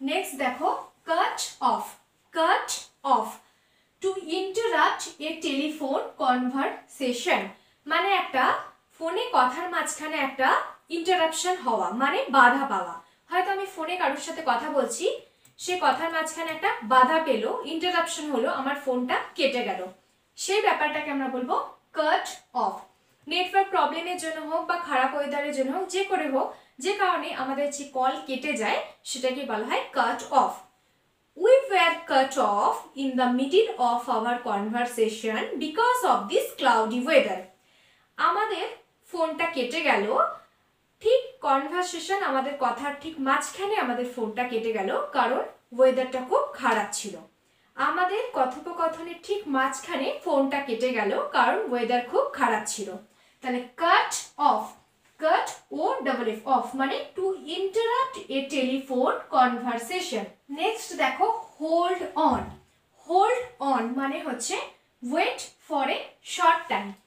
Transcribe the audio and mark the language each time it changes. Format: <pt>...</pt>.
<bn>Next দেখো cut off, cut off</bn> <en>to interrupt a telephone conversation,</en> <bn>মানে একটা ফোনে কথার মাঝখানে একটা ইন্টারাপশন হওয়া মানে বাধা পাওয়া, হয়তো আমি ফোনে কারোর সাথে কথা বলছি সে কথার মাঝখানে একটা বাধা পেল, ইন্টারাপশন হলো, আমার ফোনটা কেটে গেল, সেই ব্যাপারটাকে আমরা বলবো কাট অফ। নেটওয়ার্ক প্রবলেমের জন্য হোক বা খারাপ ওয়েদারের জন্য হোক, যে করে হোক, যে কারণে আমাদের যে কল কেটে যায় সেটাকে বলা হয় cut off.</bn> <en>We were cut off in the middle of our conversation because of this cloudy weather.</en> <bn>আমাদের ফোনটা কেটে গেল ঠিক কনভারসেশন আমাদের কথার ঠিক মাঝখানে আমাদের ফোনটা কেটে গেল কারণ ওয়েদারটা খুব খারাপ ছিল আমাদের কথোপকথনের ঠিক মাঝখানে ফোনটা কেটে গেল কারণ ওয়েদার খুব খারাপ ছিল তাহলে cut off cut O double F of মানে</bn> <en>to interrupt a telephone conversation</en> <bn>next দেখো হোল্ড অন হোল্ড অন মানে হচ্ছে</bn> <en>wait for a short time</en>